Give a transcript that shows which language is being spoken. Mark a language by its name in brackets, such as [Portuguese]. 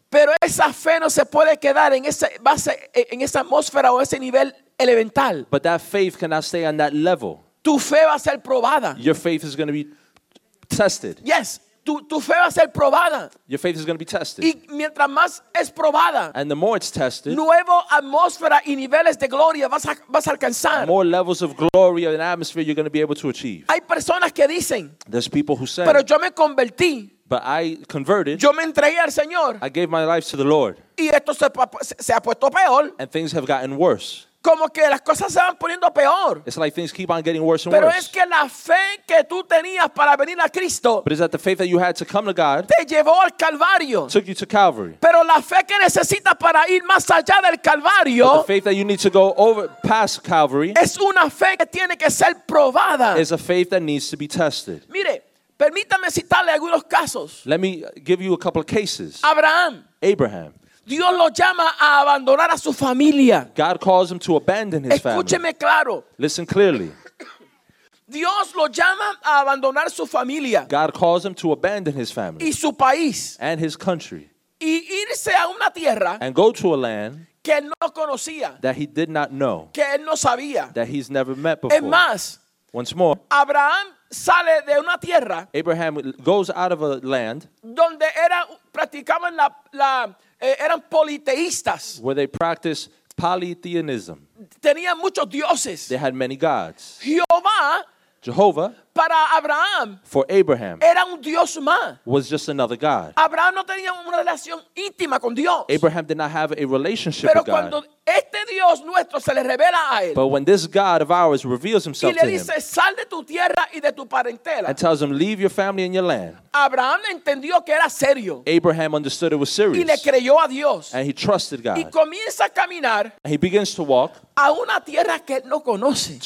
[Spanish] Pero esa fe no se puede quedar en esa base, en esa atmósfera o ese nivel elemental. [English] But that faith cannot stay on that level. [Spanish] Tu fe va a ser probada. [English] Your faith is going to be tested. [Spanish] Yes, tu fe va a ser probada. [English] Your faith is going to be tested. [Spanish] Y mientras más es probada, [English] and the more it's tested, [Spanish] nuevo atmósfera y niveles de gloria vas a alcanzar. [English] More levels of glory and atmosphere you're going to be able to achieve. [Spanish] Hay personas que dicen, [English] there's people who say, [Spanish] pero yo me convertí. [English] But I converted. [Spanish] Yo me entregué al Señor. [English] I gave my life to the Lord. [Spanish] Y esto se ha puesto peor. [English] And things have gotten worse. [Spanish] Como que las cosas se van poniendo peor. [English] It's like things keep on getting worse and [Spanish] pero [English] worse. [Spanish] Pero es que la fe que tú tenías para venir a Cristo. [English] But is that the faith that you had to come to God. [Spanish] Te llevó al Calvario. [English] Took you to Calvary. [Spanish] Pero la fe que necesitas para ir más allá del Calvario. [English] But the faith that you need to go over past Calvary. [Spanish] Es una fe que tiene que ser probada. [English] Is a faith that needs to be tested. [Spanish] Mire, permítame citarle algunos casos. [English] Let me give you a couple of cases. [Spanish] Abraham. [English] Abraham. [Spanish] Dios lo llama a abandonar a su familia. [English] God calls him to abandon his [Spanish] escúcheme [English] family. [Spanish] Escúcheme claro. [English] Listen clearly. [Spanish] Dios lo llama a abandonar su familia. [English] God calls him to abandon his family. [Spanish] Y su país. [English] And his country. [Spanish] Y irse a una tierra. [English] And go to a land. [Spanish] Que él no conocía. [English] That he did not know. [Spanish] Que él no sabía. [English] That he's never met before. [Spanish] Es más. [English] Once more. [Spanish] Abraham sale de una tierra. [English] Abraham goes out of a land. [Spanish] Donde era, practicaban la eran politeístas. [English] Where they practiced polytheism. [Spanish] Tenían muchos dioses. [English] They had many gods. [Spanish] Jehovah. Para Abraham. [English] For Abraham. [Spanish] Era un dios más. [English] Was just another god. [Spanish] Abraham no tenía una relación íntima con Dios. [English] Abraham did not have a relationship [Spanish] pero [English] with God. [Spanish] Pero cuando este dios nuestro se le revela a él. [English] But when this god of ours reveals himself [Spanish] y le [English] to [Spanish] dice, [English] him. [Spanish] Sal de tu tierra y de tu parentela. [English] And tells him, leave your family and your land. [Spanish] Abraham entendió que era serio. [English] Abraham understood it was serious. [Spanish] Y le creyó a Dios. [English] And he trusted God. [Spanish] Y comienza a caminar. [English] And he begins to walk. [Spanish] A una tierra que él no conoce.